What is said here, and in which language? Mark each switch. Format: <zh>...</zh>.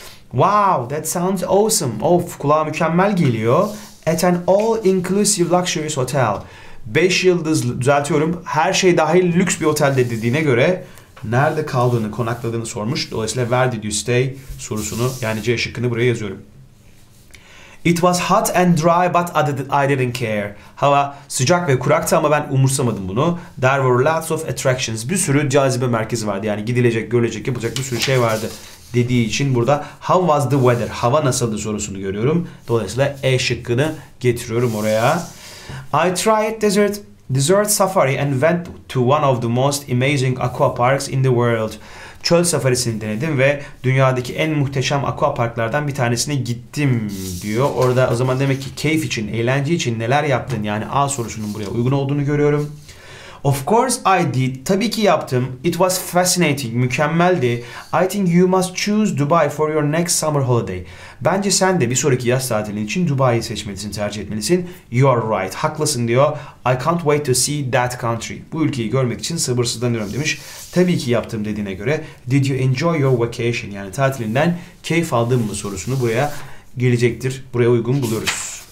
<en>Wow, that sounds awesome.</en> <tr>Of, kulağa mükemmel geliyor.</tr> <en>At an all-inclusive luxurious hotel.</en> <tr>5 yıldızlı, düzeltiyorum. Her şey dahil lüks bir otelde dediğine göre nerede kaldığını, konakladığını sormuş. Dolayısıyla</tr> <en>where did you stay</en> <tr>sorusunu, yani C şıkkını buraya yazıyorum.</tr> <en>It was hot and dry but I didn't care.</en> <tr>Hava sıcak ve kuraktı ama ben umursamadım bunu.</tr> <en>There were lots of attractions.</en> <tr>Bir sürü cazibe merkezi vardı. Yani gidilecek, görülecek, yapılacak bir sürü şey vardı dediği için burada</tr> <en>how was the weather?</en> <tr>Hava nasıldı sorusunu görüyorum. Dolayısıyla E şıkkını getiriyorum oraya.</tr> <en>I tried desert safari and went to one of the most amazing aqua parks in the world.</en> <tr>Çöl safarisini denedim ve dünyadaki en muhteşem aqua parklardan bir tanesine gittim diyor. Orada o zaman demek ki keyif için, eğlence için neler yaptın? Yani A sorusunun buraya uygun olduğunu görüyorum.</tr> <en>Of course I did.</en> <tr>Tabii ki yaptım.</tr> <en>It was fascinating.</en> <tr>Mükemmeldi.</tr> <en>I think you must choose Dubai for your next summer holiday.</en> <tr>Bence sen de bir sonraki yaz tatilin için Dubai'yi seçmelisin, tercih etmelisin.</tr> <en>You're right.</en> <tr>Haklısın diyor.</tr> <en>I can't wait to see that country.</en> <tr>Bu ülkeyi görmek için sabırsızlanıyorum demiş. Tabii ki yaptım dediğine göre.</tr> <en>Did you enjoy your vacation?</en> <tr>Yani tatilinden keyif aldın mı sorusunu buraya gelecektir. Buraya uygun buluyoruz.</tr>